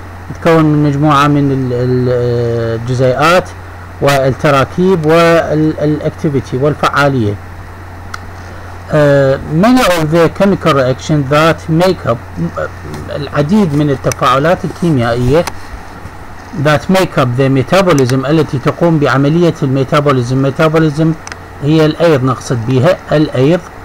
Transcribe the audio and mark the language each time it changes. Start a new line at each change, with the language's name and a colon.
Arabic: يتكون من مجموعة من الجزيئات والتراكيب والاكتيفيتي والفعالية.
English: Many of the chemical reactions that make up
Arabic: العديد من التفاعلات الكيميائية
English: that make up the metabolism
Arabic: التي تقوم بعملية الميتابوليزم. ميتابوليزم هي الأيض، نقصد بها الأيض.